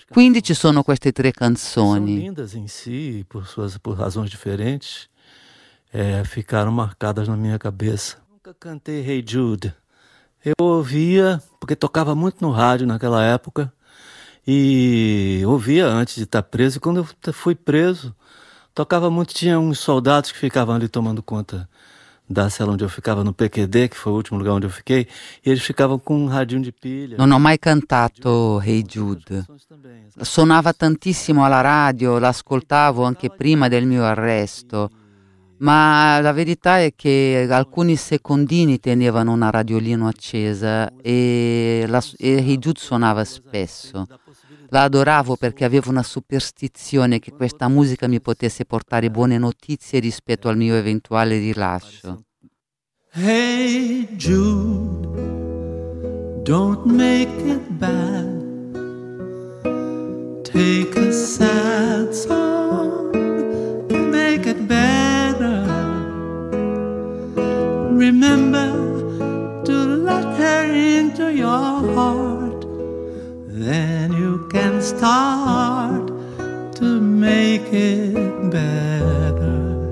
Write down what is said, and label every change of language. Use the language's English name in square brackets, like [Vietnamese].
[Italian] Quindi ci sono queste tre canzoni. [Portuguese] São lindas em si, por suas, por razões diferentes, é, ficaram marcadas na minha cabeça. Nunca cantei Hey Jude. Eu ouvia, porque tocava muito no rádio naquela época, e ouvia antes de estar preso. E quando eu fui preso, tocava muito, tinha uns soldados que ficavam ali tomando conta da cela onde eu ficava, no PQD, que foi o último lugar onde eu fiquei, e eles ficavam com um radinho de pilha. [Italian] Non ho mai cantato Hey Jude. Suonava tantissimo alla radio, l'ascoltavo anche prima del mio arresto. Ma la verità è che alcuni secondini tenevano una radiolina accesa e Hey Jude suonava spesso. La adoravo perché avevo una superstizione che questa musica mi potesse portare buone notizie rispetto al mio eventuale rilascio. [English] Hey Jude, don't make it bad, take a sad song and make it better. Remember to let her into your heart, then you can start to make it better.